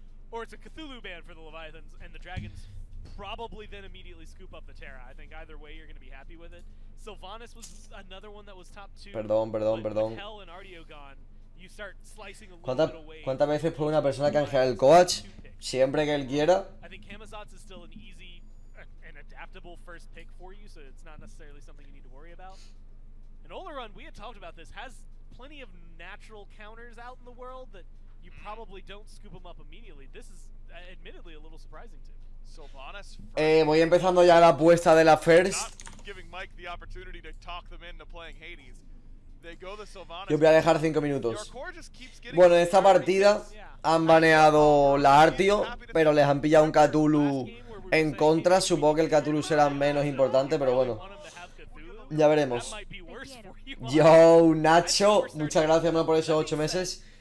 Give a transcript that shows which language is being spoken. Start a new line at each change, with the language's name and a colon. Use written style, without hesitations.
English: Or it's a Cthulhu ban for the Leviathans, and the dragons probably then immediately scoop up the Terra. I think either way you're going to be happy with it. Sylvanas was another one that was top two.
Spanish: Perdón.
English: With Hell and Ardeo gone, you start slicing a
Spanish: ¿Cuánta,
English: little wave.
Spanish: ¿Cuántas veces puede una persona canjear el coach? Siempre que él quiera.
English: I think Kamazotz is still an easy and adaptable first pick for you, so it's not necessarily something you need to worry about. And Olerun, we had talked about this, has plenty of natural counters out in the world that... You probably don't scoop him up immediately. This is admittedly a little surprising to me. Sylvanas.
Spanish: Voy empezando ya la apuesta de la first.
English: Giving Mike the opportunity to talk them into playing Hades. They go the Sylvanas.
Spanish: Yo voy a dejar 5 minutos. Bueno, en esta partida han baneado la Artio, pero les han pillado un Cthulhu en contra, supongo que el Cthulhu será menos importante, pero bueno. Ya veremos. Yo, Nacho, muchas gracias, hermano, por esos 8 meses.